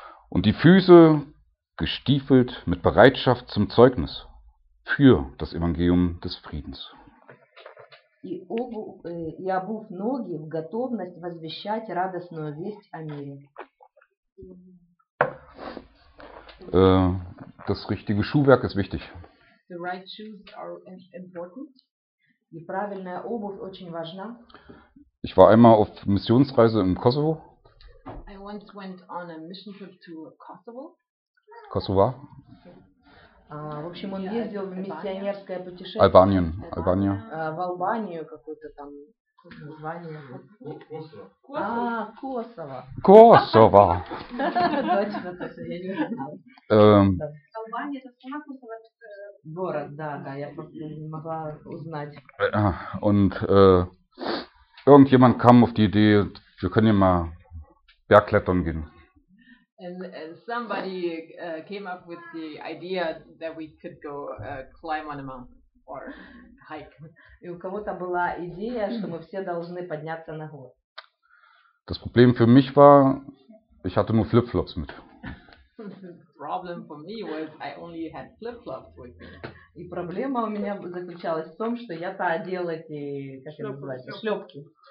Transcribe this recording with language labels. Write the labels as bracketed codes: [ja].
[de] Und die Füße gestiefelt mit Bereitschaft zum Zeugnis für das Evangelium des Friedens. [ru] И обув ноги в готовность возвещать радостную весть о мире. [de] Das richtige Schuhwerk ist wichtig. [en] The right shoes are important. [ru] И правильная обувь очень важна. [de] Ich war einmal auf Missionsreise im Kosovo. [en] I once went on a mission trip to Kosovo. Kosovo. [ru] В общем, он ездил в миссионерское путешествие. [de] Albanien, Albania. [ru] В Албанию какое-то там название. Косово. Косово. Точно, точно, я не знал. Албания, это сама Косово? Город, да, да, я просто не могла узнать. [de] Und irgendjemand kam auf die Idee, wir können ja mal bergklettern gehen. [en] And somebody came up with the idea that we could go climb on a mountain or hike. [ru] И у кого-то была идея, что мы все должны подняться на гору. [de] Das Problem für mich war, ich hatte nur flip-flops mit. [en] The problem for me was I only had flip-flops with me. [ru] И проблема у меня заключалась в том, что я-то одел эти, как это называется, шлёпки.